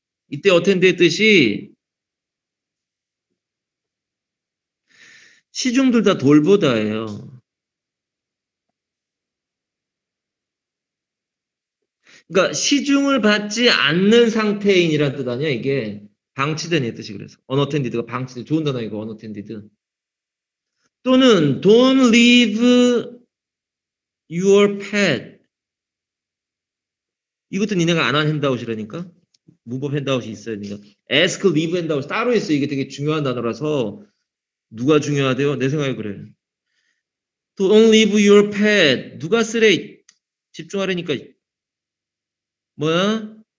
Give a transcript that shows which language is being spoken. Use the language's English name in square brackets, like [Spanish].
[Korean] 이때 Attended 뜻이 시중들다 돌보다예요. 그러니까 시중을 받지 않는 상태인이란 뜻 아니야, 이게? 방치된 이 뜻이 그래서. Unattended가 방치된. 좋은 단어 이거, Unattended. 또는 [English] Don't leave Your pet. [Korean] 이것도 니네가 안한 핸드아웃이라니까? 문법 핸드아웃이 있어야 되니까. Ask, leave 핸드아웃 따로 있어. 이게 되게 중요한 단어라서. 누가 중요하대요? 내 생각에 그래. [English] Don't leave your pet. [Korean] 누가 쓰래? 집중하려니까. 뭐야?